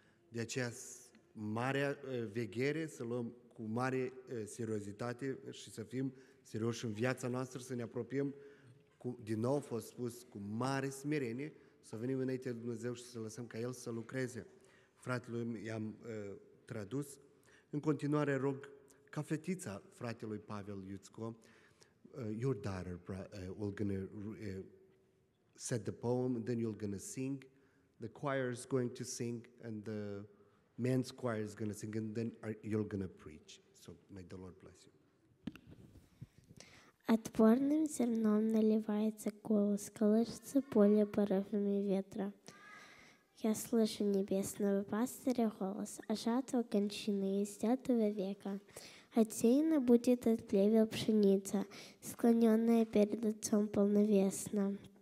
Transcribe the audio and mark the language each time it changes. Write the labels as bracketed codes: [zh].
[ro] De aceea, mare veghere, să luăm cu mare seriozitate și să fim serioși în viața noastră, să ne apropiem, din nou a fost spus, cu mare smerenie, să venim înainte de Dumnezeu și să lăsăm ca El să lucreze. Fratelui i-am tradus. În continuare rog ca fetița fratelui Pavel Iuțco, [en] your daughter will going to set the poem, then you're going to sing, the choir is going to sing, and the men's choir is going to sing, and then you're going to preach. So may the Lord bless you. [ru] Отборным зерном наливается голос, колышется поле порывами ветра. Я слышу небесного пастыря голос, а жатва кончины из пятого века. Отсеяна будет от плевел пшеница, склоненная перед отцом полновесно.